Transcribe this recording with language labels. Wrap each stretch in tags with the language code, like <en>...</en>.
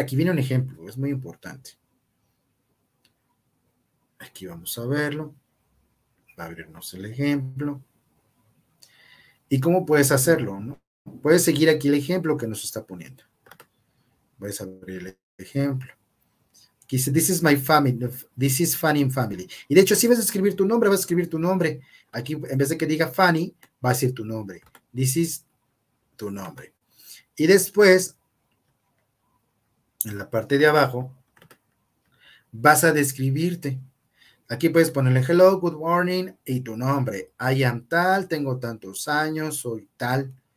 <es>Aquí viene un ejemplo, es muy importante. Aquí vamos a verlo. Va a abrirnos el ejemplo. ¿Y cómo puedes hacerlo, no? Puedes seguir aquí el ejemplo que nos está poniendo. Puedes abrir el ejemplo. Aquí dice,</es> <en>this is my family, this is Fanny family.</en> <es>Y de hecho, si vas a escribir tu nombre, Aquí, en vez de que diga Fanny, va a decir tu nombre.</es> <en>This is</en> <es>tu nombre. Y después, en la parte de abajo, vas a describirte. Aquí puedes ponerle</es> <en>hello, good morning</en> <es>y tu nombre.</es> <en>I am</en> <es>tal, tengo tantos años, soy tal.</es>